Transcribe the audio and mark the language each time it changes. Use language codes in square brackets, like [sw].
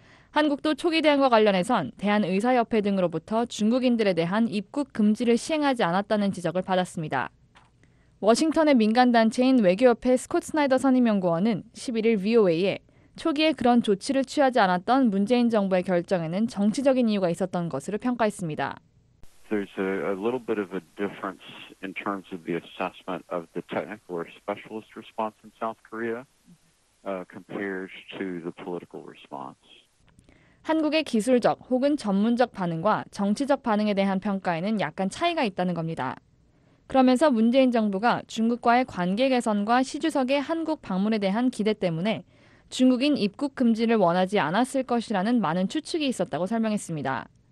[ko] 한국도 초기 대응과 관련해선 대한의사협회 등으로부터 중국인들에 대한 입국 금지를 시행하지 않았다는 지적을 받았습니다. 워싱턴의 민간단체인 외교협회 스콧 스나이더 선임연구원은 11일 VOA에 초기에 그런 조치를 취하지 않았던 문재인 정부의 결정에는 정치적인 이유가 있었던 것으로 평가했습니다. [en] There's a little bit of a difference in terms of the assessment of the technical or specialist response in South Korea compared to the political response. [ko] 한국의 기술적 혹은 전문적 반응과 정치적 반응에 대한 평가에는 약간 차이가 있다는 겁니다. 그러면서 문재인 정부가 중국과의 관계 개선과 시 주석의 한국 방문에 대한 기대 때문에 중국인 입국 금지를 원하지 않았을 것이라는 많은 추측이 있었다고 설명했습니다.